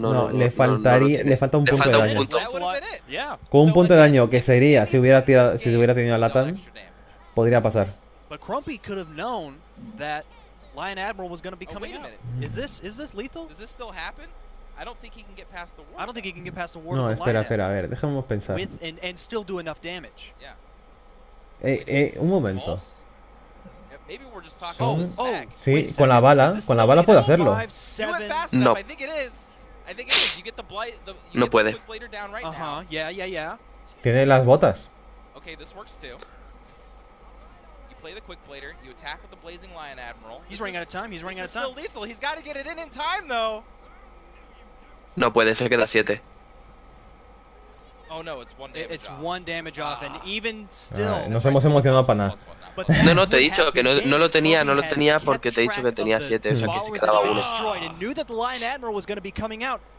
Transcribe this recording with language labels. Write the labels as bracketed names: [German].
[Spanish] Le falta un punto de daño. Un punto. Con un punto de daño que sería si hubiera tirado, si hubiera tenido a Latam, podría pasar. [English] But Crumpy could have known that Lion Admiral was going to be coming out. Is this lethal? Does this still happen? I don't think he can get past the ward. I don't think he can get past the ward. [Spanish] No, espera, a ver, dejemos pensar. [English] And still do enough damage. [Spanish] Un momento. [English] Maybe we're just talking. [Spanish] Sí, con la bala puede hacerlo. [English] No. I think it is. You get the blight, [Spanish] no puede. [English] Yeah. [Spanish] Tiene las botas. [English] Okay, this works too. Play the quick blader, you attack with the Blazing Lion Admiral. He's running out of time. Still lethal. He's got to get it in time though. [Spanish] No puede, se queda 7. [English] Oh no, it's one damage. It's one damage off and even still. [Spanish] Nos hemos emocionado para nada. No, te he dicho que no lo tenía porque te he dicho que tenía 7, o sea que se quedaba uno. [English] Knew that the Lion Admiral was going to be coming out.